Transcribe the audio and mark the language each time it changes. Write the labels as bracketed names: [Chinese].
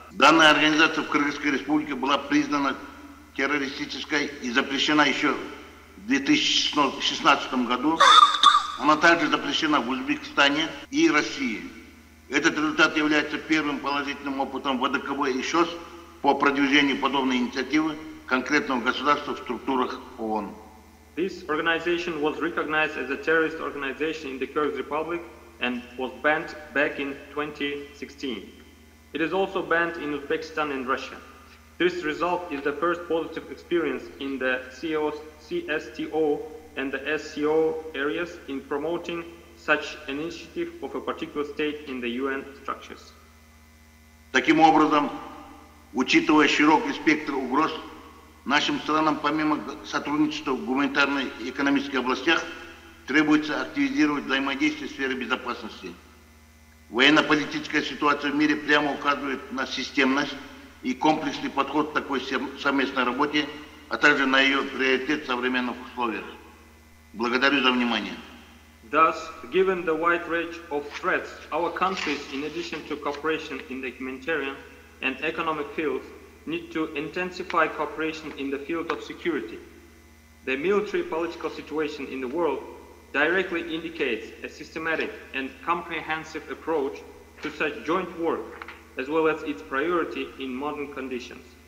[Russian] Данная организация в Кыргызской Республике была признана террористической и запрещена еще в 2016 году. Она также запрещена в Узбекистане и России. Этот результат является первым положительным опытом ВДКБ и ШОС по продвижению подобной инициативы конкретного государства в структурах ООН. [English] This organization was recognized as a terrorist organization in the Kyrgyz Republic and was banned back in 2016. It is also banned in Uzbekistan and Russia. This result is the first positive experience in the CSTO and the SCO areas in promoting such an initiative of a particular state in the UN structures. [Russian] Таким образом, учитывая широкий спектр угроз, нашим странам, помимо сотрудничества в гуманитарной и экономической областях, требуется активизировать взаимодействие в сфере безопасности. Военно-политическая ситуация в мире прямо указывает на системность и комплексный подход к такой совместной работе, а также на ее приоритет в современных условиях. Благодарю за внимание. [English] Thus, given the wide range of threats, our countries, in addition to cooperation in the humanitarian and economic fields, need to intensify cooperation in the field of security. The military political situation in the world directly indicates a systematic and comprehensive approach to such joint work, as well as its priority in modern conditions.